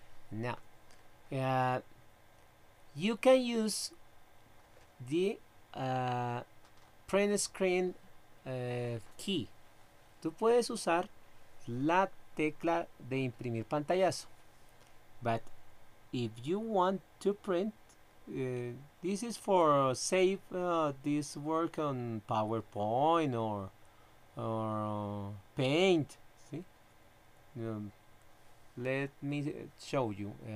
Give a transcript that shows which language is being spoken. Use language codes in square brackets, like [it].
[en] Now, you can use the print screen key. [es] Tú puedes usar la tecla de imprimir pantallazo. [en] But if you want to print, this is for save this work on PowerPoint or Paint. See, let me show you.